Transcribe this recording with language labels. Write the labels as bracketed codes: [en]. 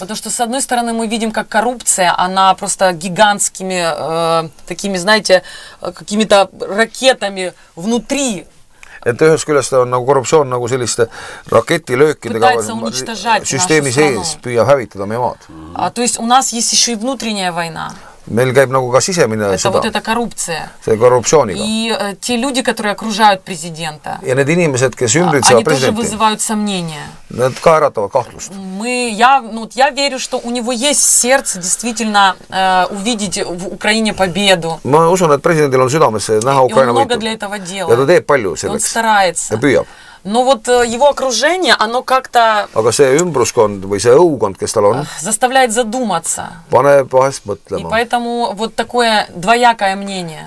[ru] Потому что с одной стороны мы видим, как коррупция, она просто гигантскими такими, знаете, какими-то ракетами внутри. [et] Et ühes küljes on nagu korruptsioon nagu selliste raketilöökidega süsteemi sees püüab hävitada meie maad. [ru] То есть у нас есть еще и внутренняя война. [et] Meil käib nagu ka sisemine [ru] это [et] sõda. [ru] Вот это коррупция. [et] See korruptsiooniga. [ru] И те люди, которые окружают президента. [et] Ja need inimesed, kes ümbritsevad [ru] они [et] presidenti. [ru] Они тоже вызывают сомнения. [et] Need ka äratavad kahtlust. [ru] Мы, я, ну, я верю, что у него есть сердце действительно увидеть в Украине победу. [et] Ma usun, et presidentil on südames näha Ukraina võitu. [ru] И он много для этого делает. [et] Ja ta teeb palju selleks. [ru] Он старается. [et] Ja püüab. [ru] Но вот его окружение, оно как-то... [et] Aga see ümbruskond või see õukond, kes tal on... [ru] Заставляет задуматься. [et] Paneb vahest mõtlema. [ru] И поэтому вот такое двоякое мнение.